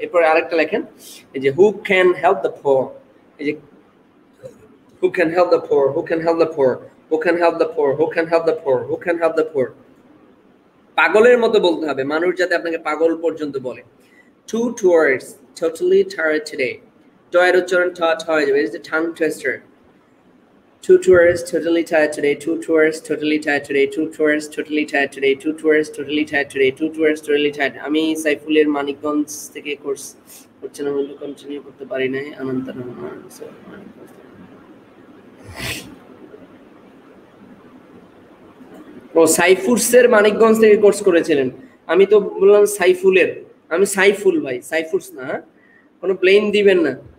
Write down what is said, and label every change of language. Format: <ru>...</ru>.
<bn>এরপরে আরেকটা লেখেন, এই যে</bn> <en>Who can help the poor, এই যে who can help the poor, who can help the poor, who can help the poor, who can help the poor, who can help the poor.</en> <bn>পাগলের মতো বলতে হবে, মানুষ যাতে আপনাকে পাগল পর্যন্ত বলে।</bn> <en>to towards totally tired today,</en> <bn>টয়ের উচ্চারণ টাট হয়ে যাবে, এই যে tongue twister.</bn> <en>Two tourists totally tired today. Two tourists totally tired today. Two tourists totally tired today. Two tourists totally tired today. Two tourists totally tired.</en> <bn>আমি সাইফুলের মানিকগঞ্জ থেকে course করছি, না হলে কন্টিনিউ করতে পারি না। অনন্ত রহমান ও সাইফুরসের মানিকগঞ্জ থেকে কোর্স করেছিলেন, আমি তো বললাম সাইফুলের, আমি সাইফুল ভাই, সাইফুরস না, কোনো ব্লেম দিবেন না।</bn>